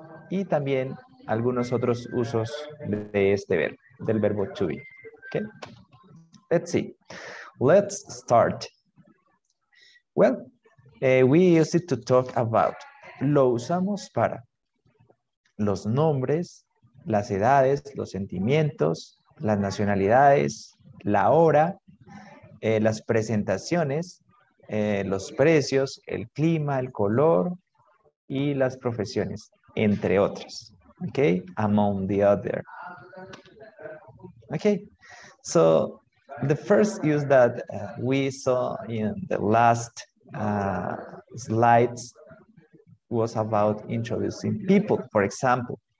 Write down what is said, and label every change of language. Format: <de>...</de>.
<es>Y también algunos otros usos de este verbo, del verbo to be.</es> <en>Okay. Let's see. Let's start. Well, we use it to talk about.</en> <es>Lo usamos para los nombres, las edades, los sentimientos, las nacionalidades, la hora, las presentaciones, los precios, el clima, el color y las profesiones, entre otras.</es> <en>Okay, among the other. Okay, so The first is that we saw in the last slides was about introducing people, for example.</en>